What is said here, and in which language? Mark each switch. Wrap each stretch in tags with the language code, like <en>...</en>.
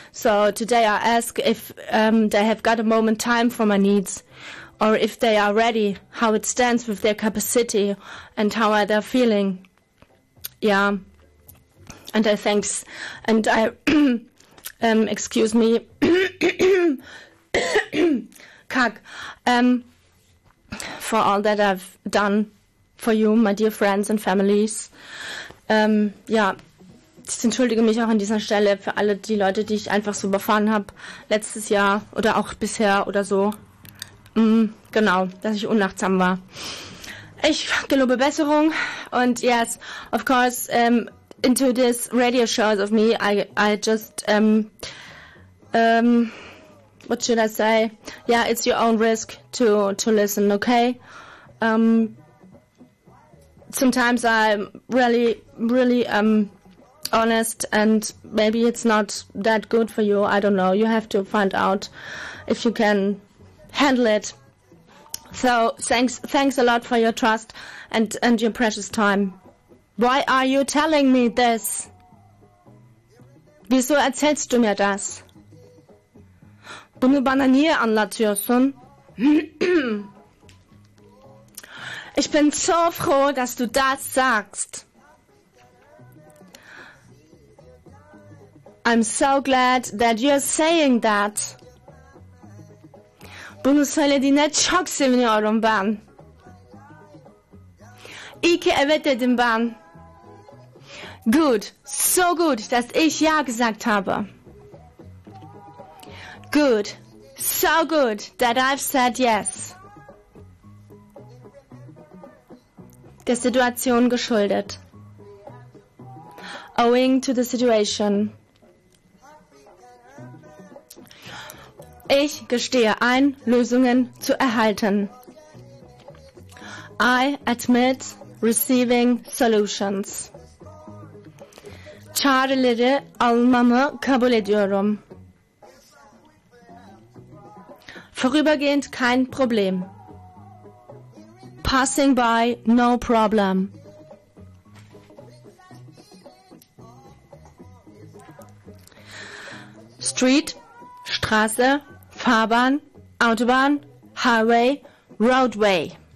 <en>So today I ask if they have got a moment time for my needs or if they are ready, how it stands with their capacity and how are they feeling. Yeah. And I thanks. And I... excuse me, Kak, for all that I've done for you, my dear friends and families.</en> <de>Ja, ich entschuldige mich auch an dieser Stelle für alle die Leute, die ich einfach so überfahren habe letztes Jahr oder auch bisher oder so. Genau, dass ich unachtsam war. Ich gelobe Besserung und</de> <en>yes, of course, into this radio shows of me, I just, what should I say? Yeah, it's your own risk to listen, okay? Sometimes I'm really, really, honest, and maybe it's not that good for you. I don't know. You have to find out if you can handle it. So thanks a lot for your trust and your precious time. Why are you telling me this?</en> <de>Wieso erzählst du mir das?</de> <tr>Bunu bana niye anlatıyorsun?</tr> <de>Ich bin so froh, dass du das sagst.</de> <en>I'm so glad that you're saying that.</en> <tr>Bunu söylediğine çok seviniyorum ben. İyi ki evet dedim ben.</tr> <de>Gut, so gut, dass ich ja gesagt habe. Gut, so gut,</de> <en>that I've said yes.</en> <de>Der Situation geschuldet.</de> <en>Owing to the situation.</en> <de>Ich gestehe ein, Lösungen zu erhalten.</de> <en>I admit receiving solutions.</en> <tr>Çağrıları almamı kabul ediyorum.</tr> <de>Vorübergehend kein Problem.</de> <en>Passing by, no problem. Street,</en> <de>Straße, Fahrbahn, Autobahn,</de> <en>Highway, Roadway.</en>